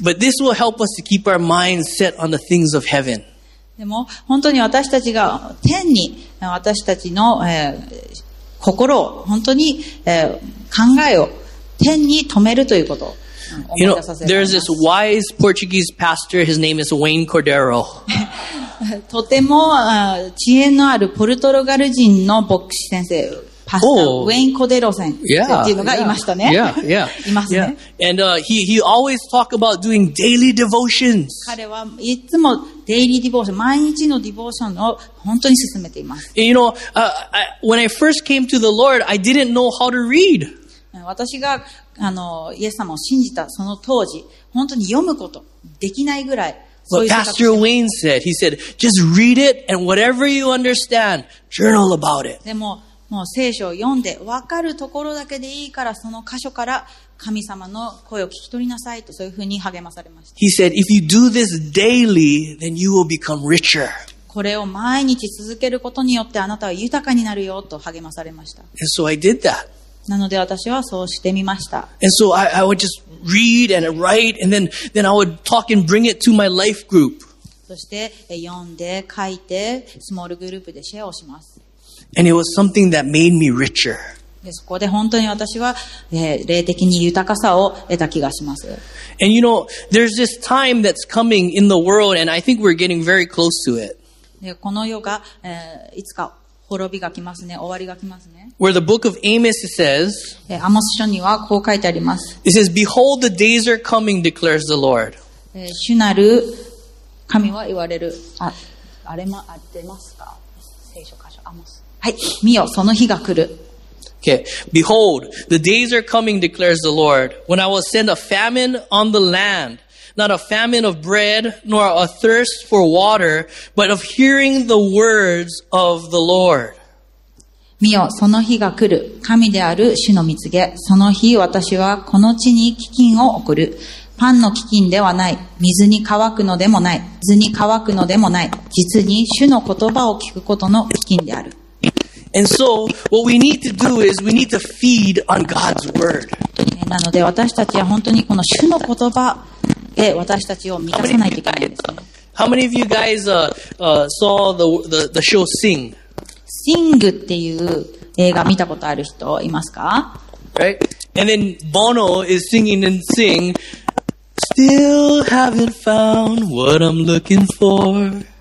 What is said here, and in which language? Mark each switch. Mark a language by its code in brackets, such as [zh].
[en] But this will help us to keep our minds set on the things of heaven. [ja] でも本当に私たちが天に私たちの、心を本当に、考えを天に止めるということを思い出させます。 [en] You know, there's this wise Portuguese pastor. His name is Wayne Cordero. [ja] とても知恵のあるポルトガル人の牧師先生、パスター、ウェイン・コデロ先生っていうのがいましたね。 [en] Yeah. [ja] いますね。 [en] Yeah. And he always talk about doing daily devotions. [ja] 彼はいつもデイリーディボーション、毎日のディボーションを本当に進めています。 [en] You know, when I first came to the Lord, I didn't know how to read. [ja] 私が、イエス様を信じたその当時、本当に読むことできないぐらい。 [en] But Pastor Wayne said, he said, just read it and whatever you understand, journal about it. [ja] でも、もう聖書を読んで、わかるところだけでいいから、その箇所から、神様の声を聞き取りなさいとそういうふうに励まされました。 [en] He said, if you do this daily, then you will become richer. [ja] これを毎日続けることによってあなたは豊かになるよと励まされました。 [en] And so I did that. [ja] なので私はそうしてみました。 [en] And so I would just read and write and then I would talk and bring it to my life group. [ja] そそして読んで書いてスモールグループでシェアをします。 [en] And it was something that made me richer. [ja] でそこで本当に私は、霊的に豊かさを得た気がします。 [en] And you know, there's this time that's coming in the world and I think we're getting very close to it. [ja] でこの世が、いつか滅びが来ますね、終わりが来ますね。 [en] Where the book of Amos says, [ja] アモス書にはこう書いてあります。 [en] It says, Behold, the days are coming, declares the Lord. [ja] 主なる神は言われる。あれも出ますか、聖書箇所、アモス。はい、見よ、その日が来る。 [en] Okay, Behold, the days are coming, declares the Lord, when I will send a famine on the land. Not a famine of bread, nor a thirst for water, but of hearing the words of the Lord. [ja] 見よ、その日が来る。神である主の御告げ。その日、私はこの地に飢饉を送る。パンの飢饉ではない。水に乾くのでもない。水に乾くのでもない。実に主の言葉を聞くことの飢饉である。 [en] And so, what we need to do is we need to feed on God's word. [ja] なので、私たちは本当にこの主の言葉、で私たちを満たさないといけないんですね。 [en] How many of you guys saw the show Sing? [ja] Sing っていう映画見たことある人いますか？ [en] Right? And then Bono is singing in Sing, Still haven't found what I'm looking for.